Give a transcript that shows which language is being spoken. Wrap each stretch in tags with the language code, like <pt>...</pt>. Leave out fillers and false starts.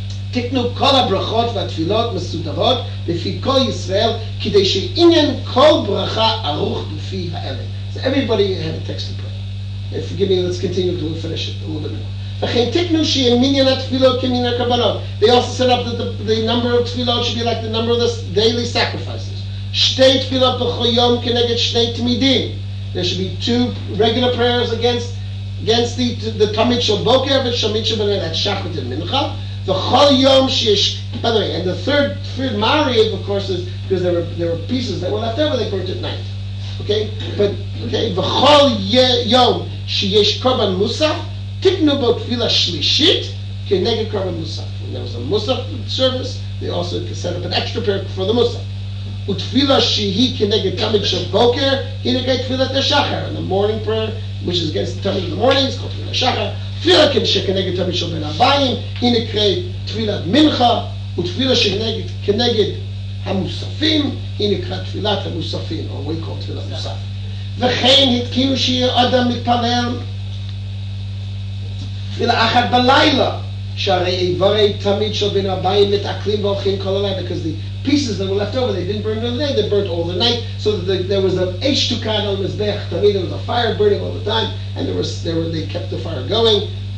<he>תקנו כל הברכות והתפילות מסודרות לפי כל ישראל כדי שעניין כל ברכה ארוך בפי האלה.</he> <en>So everybody had a text to pray. And forgive me, let's continue to finish it a little bit more.</en> <he>וכן תקנו שיהיה מניין התפילות כמין הקבלות.</he> <en>They also set up that the number of תפילות should be like the number of the daily sacrifices.</en> <he>שתי תפילות בכל יום כנגד שני תמידים.</he> <en>There should be two regular prayers against the tamid shel boker and shamid shel b'leil at shachrit and mincha. The chol yom sheish. By the way, and the third ma'ariv, of course, is because there were pieces that were left over. They burnt at night. Okay, but okay. The</en> <he>chol yom sheish korban musaf</he> <en>tiknu bo tefila shlishit kineged korban musaf. When there was a musaf service, they also could set up an extra prayer for the musaf.</en> <he>ותפילה שהיא כנגד תמיד של בוקר, היא נגד תפילת השחר.</he> <en>And the morning prayer, which is against the tamid of the morning, is called תפילת השחר.</en> <he>תפילה שכנגד תמיד של בן הבאים, היא נקראת תפילת מנחה. ותפילה שכנגד המוספים, היא נקראת תפילת המוספים,</he> <en>or we call</en> <he>תפילת מוסף. וכן התקינו שיהיה אדם מתפלל תפילה אחת בלילה, שהרי איברי תמיד של בן הבאים מתעכלים והולכים כל הלילה,</he> <en>because the pieces that were left over, they didn't burn during the day, they burnt all the night, so that there was an eshtukad on his bech, there was a fire burning all the time, and they kept the fire going.</en>